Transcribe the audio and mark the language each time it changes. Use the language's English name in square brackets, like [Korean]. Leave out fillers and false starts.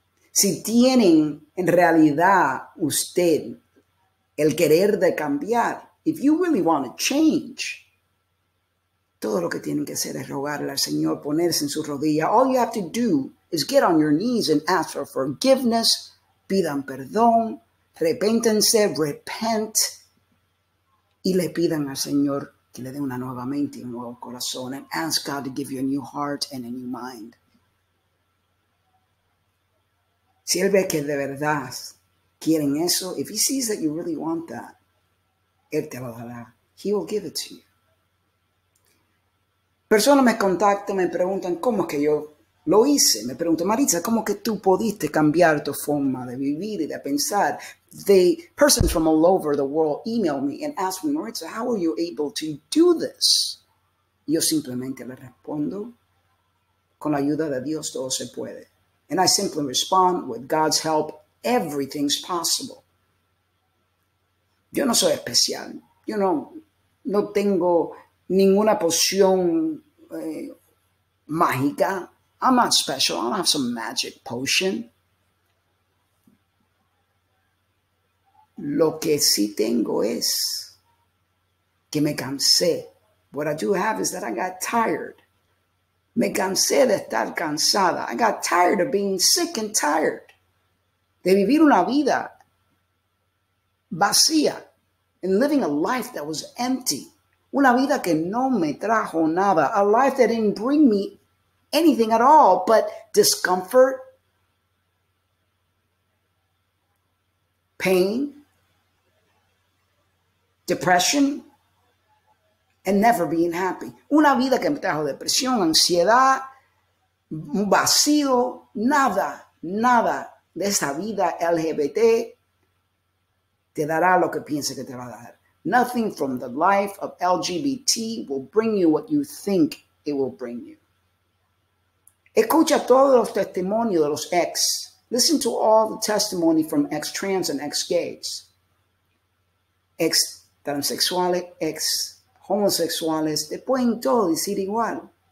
[Spanish] Si tienen en realidad usted el querer de cambiar, [English] if you really want to change, [Spanish] todo lo que tienen que hacer es rogarle al Señor, ponerse en su rodilla. [English] All you have to do is get on your knees and ask for forgiveness. [Spanish] Pidan perdón. Repéntense. [English] Repent. [Spanish] Y le pidan al Señor que le dé una nueva mente y un nuevo corazón. [English] And ask God to give you a new heart and a new mind. [Spanish] Si él ve que de verdad quieren eso, [English] if he sees that you really want that, [Spanish] él te lo dará. [English] He will give it to you. [Spanish] Personas me contactan, me preguntan cómo es que yo lo hice. Me preguntan, Maritza, ¿cómo que tú pudiste cambiar tu forma de vivir y de pensar? [English] The persons from all over the world email me and ask me, Maritza, how are you able to do this? [Spanish] Yo simplemente le respondo, con la ayuda de Dios todo se puede. [English] And I simply respond, with God's help, everything's possible. [Spanish] Yo no soy especial. Yo no tengo ninguna poción mágica. [English] I'm not special. I don't have some magic potion. [Spanish] Lo que sí tengo es que me cansé. [English] What I do have is that I got tired. [Spanish] Me cansé de estar cansada. [English] I got tired of being sick and tired. [Spanish] De vivir una vida vacía. [English] And living a life that was empty. [Spanish] Una vida que no me trajo nada. [English] A life that didn't bring me anything at all but discomfort, pain, depression, and never being happy. [Spanish] Una vida que me trajo depresión, ansiedad, vacío, nada, nada de esa vida LGBT te dará lo que piensa que te va a dar. [English] Nothing from the life of LGBT will bring you what you think it will bring you. [Spanish] Escucha todos los testimonios de los ex. [English] Listen to all the testimony from ex-trans and ex-gays. [Spanish] Ex-transexuales, ex-homosexuales, te pueden todo decir igual.